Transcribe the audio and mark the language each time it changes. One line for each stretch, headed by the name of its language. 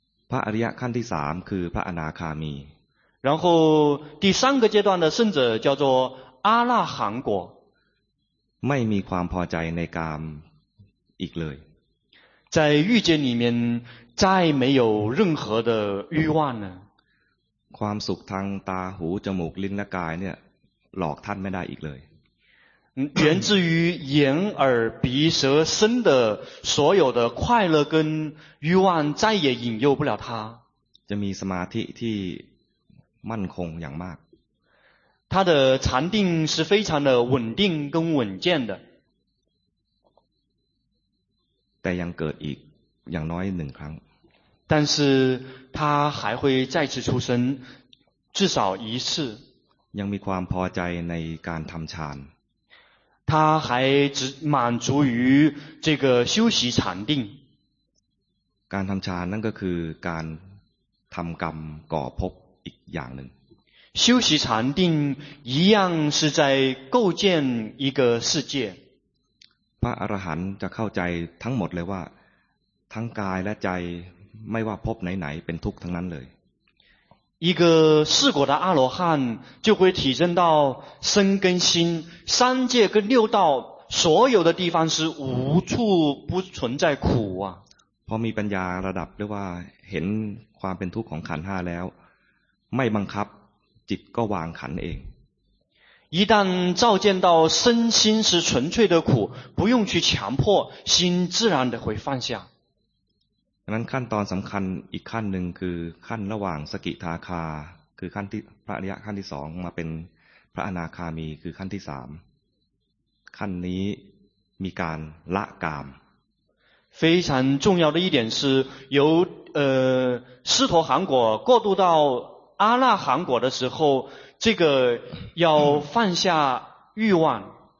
Thai: พระอริยะขั้นที่สามคือพระอนาคามี
Chinese: 然后第三个阶段的圣者叫做阿那含果
Thai: ไม่มีความพอใจในกามอีกเลย
Chinese: 在欲界里面再没有任何的欲望呢
Thai: ความสุขทางตาหูจมูกลิ้นและกายเนี่ยหลอกท่านไม่ได้อีกเลย
Chinese: 源自于眼耳鼻舌身的所有的快乐跟欲望再也引诱不了他
Thai: จะมีสมาธิที่มั่นคงอย่างมาก
Chinese: 他的禅定是非常的稳定跟稳健的
Thai: แต่ยังเกิดอีกอย่างน้อยหนึ่งครั้ง
Chinese: 但是他还会再次出生至少一次
Thai: ยังมีความพอใจในการทำฌาน
Chinese: 他还只满足于这个修习禅定
Thai: การทำฌานนั่นก็คือการทำกรรมก่อภพอีกอย่างหนึ่ง
Chinese: 修习禅定一样是在构建一个世界
Thai: พระอรหันต์จะเข้าใจทั้งหมดเลยว่าทั้งกายและใจไม่ว่าพบไหนๆเป็นทุกข์ทั้งนั้นเลย
Chinese: 一个四果的阿罗汉就会体证到身跟心三界跟六道所有的地方是无处不存在苦啊
Thai: พอมีปัญญาระดับเรียกว่าเห็นความเป็นทุกข์ของขันธ์ห้าแล้วไม่บังคับจิตก็วางขันธ์เอง
Chinese: 一旦照见到身心是纯粹的苦不用去强迫心自然的会放下
Thai: นั้นขั้นตอนสำคัญอีกขั้นหนึ่งคือขั้นระหว่างสกิทาคาคือขั้นที่พระอริยะขั้นที่สองมาเป็นพระอนาคามีคือขั้นที่สามขั้นนี้มีการละกาม
Chinese: 非常重要的一点是由斯陀含果过渡到阿那含果的时候这个要放下欲望